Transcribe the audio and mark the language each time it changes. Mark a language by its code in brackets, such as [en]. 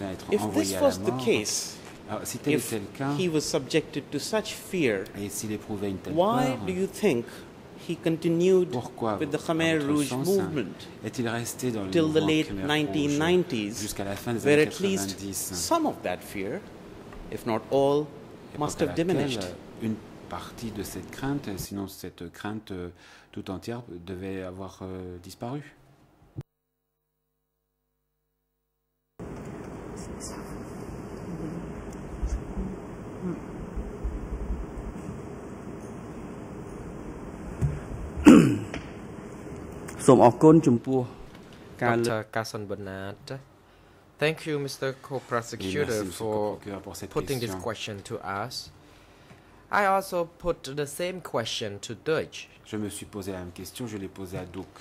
[en] If this was the case, if he was subjected to such fear, why do you think he continued with the Khmer Rouge movement till the late 1990s, where at least some of that fear, if not all, must have diminished? [fr] Une partie de cette crainte, sinon cette crainte tout entière, devait avoir disparu. [en] Dr. Sunbaunat, thank you, Mr. Co-Prosecutor, for putting this question to us. I also put the same question to Doig. [fr] Je me suis posé la même question, je l'ai posé à Doig.